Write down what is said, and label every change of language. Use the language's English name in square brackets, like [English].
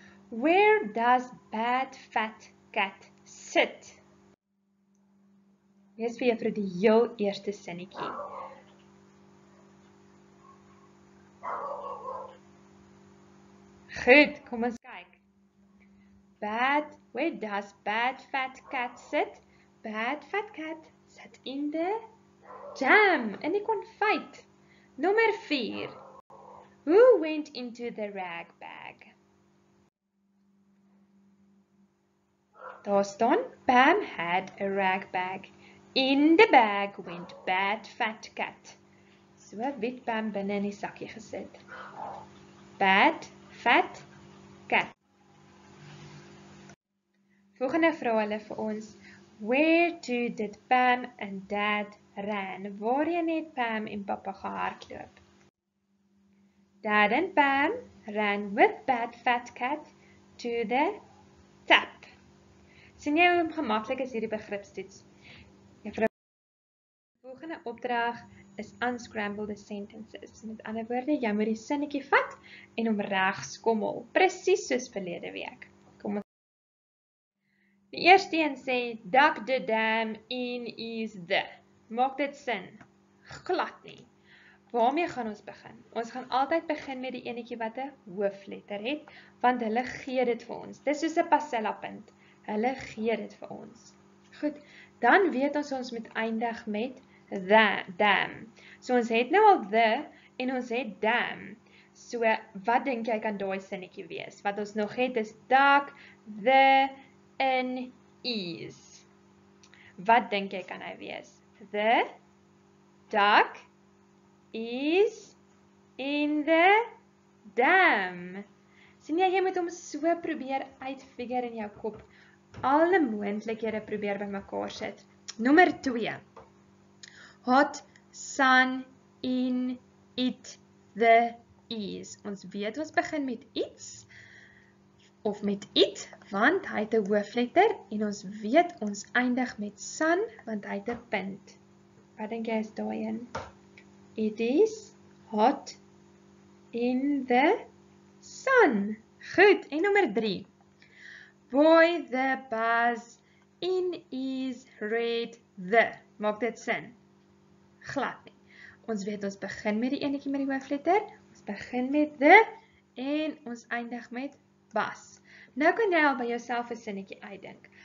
[English] Where does Bad Fat Cat sit? [Afrikaans] Lees vir juffrou die heel eerste sinnetjie. Goed, kom ons kyk. [English] Where does Bad Fat Cat sit? Bad Fat Cat sit in the jam, [Afrikaans] in die konfyt. Nommer 4. [English] Who went into the rag bag? [Afrikaans] Daar staan, [English] Pam had a rag bag. In the bag went Bad Fat Cat. [Afrikaans] So het Pam binnen in die sakje gesit. Bad Fat Cat. Volgende vraag hulle vir ons. [English] Where to did Pam and Dad ran? [Afrikaans] Waarheen het Pam en papa gehardloop? [English] Dad and Pam ran with Bad Fat Cat to the tap. [Afrikaans] Sien jy hoe gemaklik is hierdie begripstoets? Die volgende opdrag is [English] unscramble the sentences. [Afrikaans] Met ander woorde, jy moet die sinnetjie vat en hom reg skommel, presies soos verlede week. Kom ons. Die eerste een sê [English] duck the dam in is the. [Afrikaans] Maak dit sin? Glad nie. Waarmee gaan ons begin? Ons gaan altyd begin met die enetjie wat 'n hoofletter het, want hulle gee dit vir ons. Dis soos 'n passella punt. Hulle gee dit vir ons. Goed, dan weet ons ons moet eindig met [English] the, them. [Afrikaans] So ons het nou al the en ons het them. So wat dink jy kan daai sinnetjie wees? Wat ons nog het is duck, the, in, is. Wat dink jy kan hy wees? [English] The, duck, is in the dam. [Afrikaans] Sien jy, jy moet hom so probeer uitfigure in jou kop. Alle moontlikhede probeer by mekaar sit. Nommer 2. [English] Hot sun in it the is. [Afrikaans] Ons weet ons begin met iets of met it, want hy het 'n hoofletter en ons weet ons eindig met sun, want hy het 'n punt. Wat dink jy is daai een? [English] It is hot in the sun. [Afrikaans] Goed, en nommer 3. [English] Boy the buzz in is red the. [Afrikaans] Maak dit sin? Glad nie. Ons weet ons begin met die enetjie met die hoofletter. Ons begin met the en ons eindig met buzz. Nou kan jy al by jouself 'n sinnetjie uitdink.